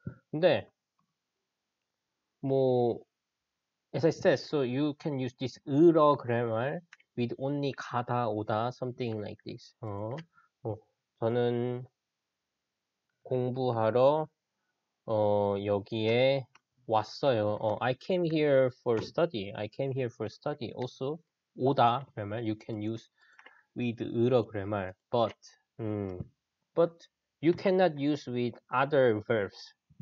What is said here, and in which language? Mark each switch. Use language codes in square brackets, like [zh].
[ko] 근데 뭐 [en] as I said, so you can use this 으러 grammar with only 가다 오다 something like this. [ko] 저는 공부하러 여기에 왔어요. [en] I came here for study. I came here for study. Also, 오다 grammar you can use with 으러 grammar, but you cannot use with other verbs.